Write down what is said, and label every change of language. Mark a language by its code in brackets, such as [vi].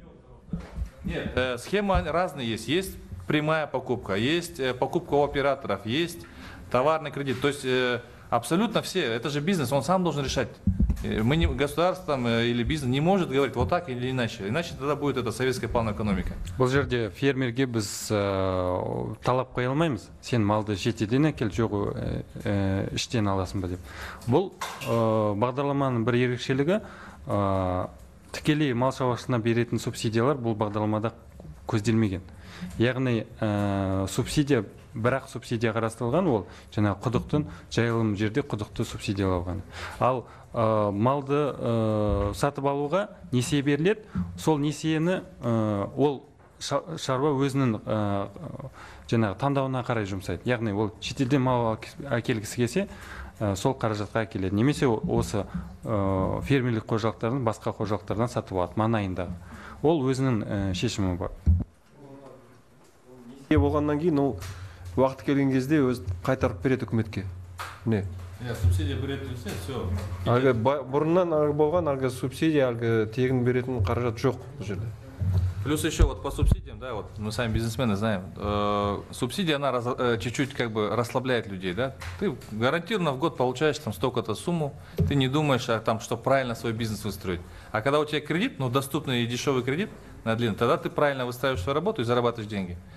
[ru] коров, да? Нет, схемы разные есть. Есть прямая покупка, есть покупка у операторов, есть товарный кредит. То есть абсолютно все, это же бизнес, он сам должен решать. Мы не, государство или бизнес не может говорить вот так или иначе. Иначе тогда будет это советская плановая экономика. [kk] Бұл жерде фермерге біз талап қоя алмаймыз. Сен малды шетеден әкел, жоқ, іштен аласың ба деп. Бұл бағдарламаның бір ерекшелігі, тікелей мал шаруашылығына беретін субсидиялар бұл бағдарламада көзделмеген. Яғни субсидия, бірақ субсидия қарастырылған, ол жаңа құдықтың жайылым жерде құдықты субсидиялауған. Ал малды сатып алуға несие беріледі, сол несиені ол шаруа өзінің жаңа таңдауына қарай жұмсайды. Яғни ол шетелден мал әкелгісі келсе, сол қаражатқа әкеледі. Немесе осы фермерлік қожалықтардан басқа қожалықтардан сатып алады маңайында. Ол өзінің шешімі бар. Несие болғаннан кейін ол уақыт келген кезде өз қайтарып береді үкіметке. Не? Субсидия беретін сен, [ru] все. [kk] Бұрыннан болған субсидия, тегін беретін қаражат жоқ бұл жерде. [ru] Плюс еще вот по субсидиям, да, вот мы сами бизнесмены знаем, субсидия, она чуть-чуть как бы расслабляет людей, да. Ты гарантированно в год получаешь там столько-то сумму, ты не думаешь о том, что правильно свой бизнес выстроить. А когда у тебя кредит, ну, доступный и дешевый кредит на длину, тогда ты правильно выстраиваешь свою работу и зарабатываешь деньги.